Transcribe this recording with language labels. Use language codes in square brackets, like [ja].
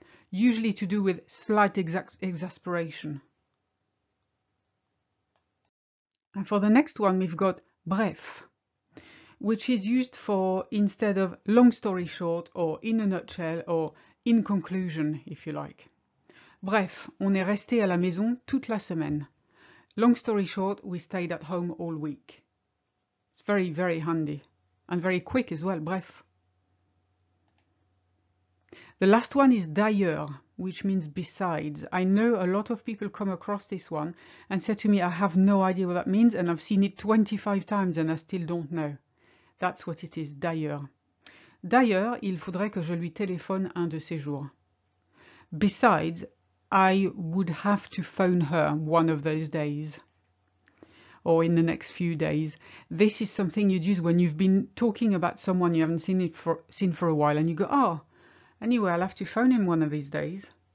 [en] Usually to do with slight exasperation. And for the next one, we've got bref, which is used for instead of long story short or in a nutshell or in conclusion, if you like. [fr] Bref, on est resté à la maison toute la semaine. [en] Long story short, we stayed at home all week. It's very, very handy. And very quick as well, bref. The last one is d'ailleurs, which means besides. I know a lot of people come across this one and say to me, I have no idea what that means, and I've seen it 25 times and I still don't know. That's what it is, d'ailleurs. [fr] D'ailleurs, il faudrait que je lui téléphone un de ces jours. [en] Besides, I would have to phone her one of those days, or in the next few days. This is something you'd use when you've been talking about someone you haven't seen for a while, and you go, oh, anyway, I'll have to phone him one of these days.